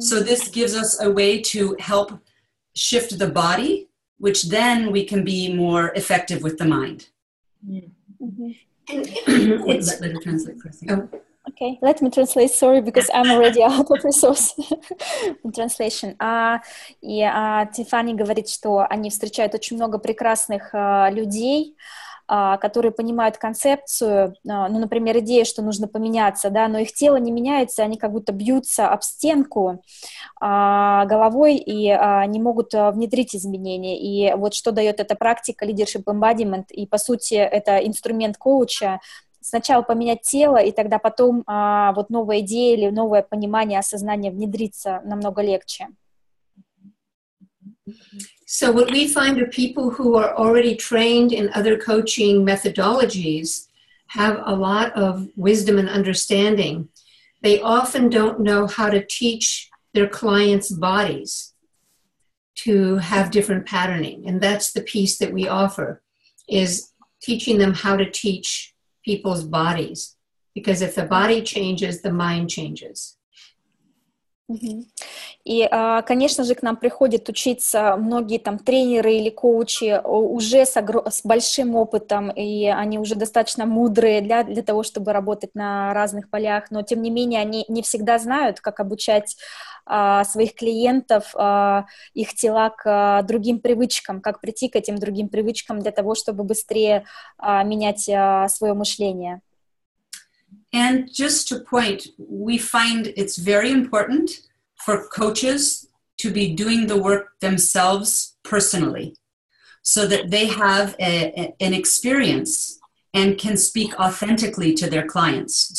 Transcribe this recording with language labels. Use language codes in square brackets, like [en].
[en] So this gives us a way to help shift the body, which then we can be more effective with the mind. Mm-hmm. And let me translate for a second. Okay, let me translate, sorry, because I'm already out of resource in translation. [ru] Тифани говорит, что они встречают очень много прекрасных людей, которые понимают концепцию, ну, например, идея, что нужно поменяться, да, но их тело не меняется, они как будто бьются об стенку головой и не могут внедрить изменения. И вот что дает эта практика leadership embodiment, и, по сути, это инструмент коуча, сначала поменять тело, и тогда потом вот новая идея или новое понимание, осознание внедрится намного легче. [en] So what we find are people who are already trained in other coaching methodologies have a lot of wisdom and understanding. They often don't know how to teach their clients' bodies to have different patterning. And that's the piece that we offer, is teaching them how to teach people's bodies. Because if the body changes, the mind changes. Uh-huh. [ru] И, конечно же, к нам приходят учиться многие там тренеры или коучи уже с большим опытом, и они уже достаточно мудрые для того, чтобы работать на разных полях, но, тем не менее, они не всегда знают, как обучать своих клиентов, их тела к другим привычкам, как прийти к этим другим привычкам для того, чтобы быстрее менять свое мышление. [en] And just to point, we find it's very important for coaches to be doing the work themselves personally so that they have an experience and can speak authentically to their clients.